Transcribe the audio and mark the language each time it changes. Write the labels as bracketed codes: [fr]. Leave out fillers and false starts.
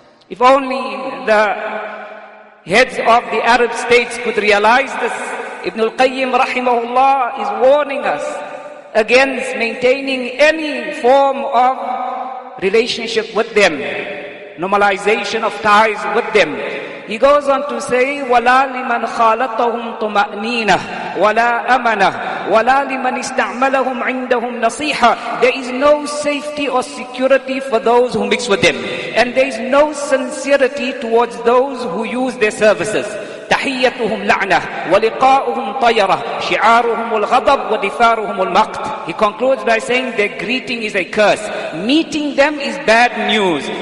[en] If only the heads of the Arab states could realize this. Ibn al-Qayyim rahimahullah is warning us against maintaining any form of relationship with them, normalization of ties with them. He goes on to say, [ar] وَلَا لِمَنْ خَالَطَهُمْ طُمَأْنِينَةٌ وَلَا أَمَنَةٌ وَلَا لِمَنْ اسْتَعْمَلَهُمْ عِنْدَهُمْ نَصِيحَةٌ. [en] There is no safety or security for those who mix with them. And there is no sincerity towards those who use their services. [ar] تَحِيَّتُهُمْ لَعْنَةٌ وَلِقَاؤُهُمْ طَيَرَةٌ شِعَارُهُمُ الْغَضَبُ وَدِفَارُهُمُ الْمَقْتُ. [en] He concludes by saying their greeting is a curse. Meeting them is bad news.